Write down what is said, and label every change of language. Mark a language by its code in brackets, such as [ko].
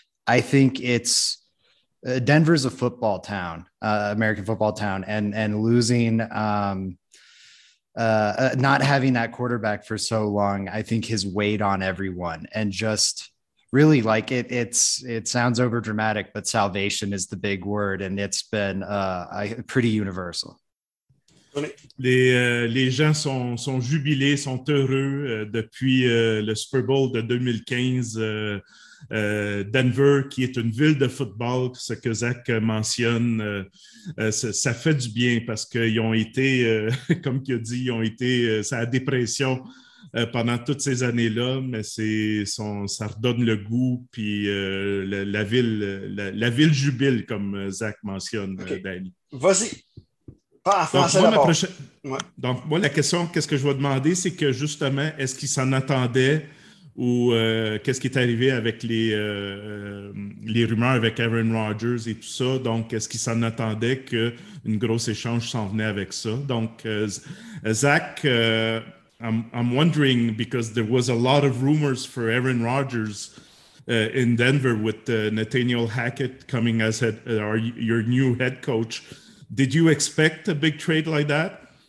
[en] I think it's Denver's a football town, American football town, and losing, not having that quarterback for so long, I think has weighed on everyone. And just really, like, it sounds overdramatic, but salvation is the big word, and it's been pretty universal. [fr] Les gens sont jubilés, sont heureux depuis le Super Bowl de 2015. Denver, qui est une ville de football, ce que Zach mentionne, ça fait du bien parce qu'ils ont été, comme il a dit, ils ont été sa dépression pendant toutes ces années-là, mais ça redonne le goût, puis la ville jubile, comme Zach mentionne, okay. Danny. Vas-y, pas en français d'abord. Donc, moi, la question, qu'est-ce que je vais demander, c'est que, justement, est-ce qu'ils s'en attendaient ou qu'est-ce qui est arrivé avec les rumeurs avec Aaron Rodgers et tout ça? Donc, est-ce qu'ils s'en attendaient qu'une grosse échange s'en venait avec ça? Donc, Zach... [en] I'm wondering, because there was a lot of rumors for Aaron Rodgers in Denver with Nathaniel Hackett coming as your new head coach. Did you expect a big trade like that?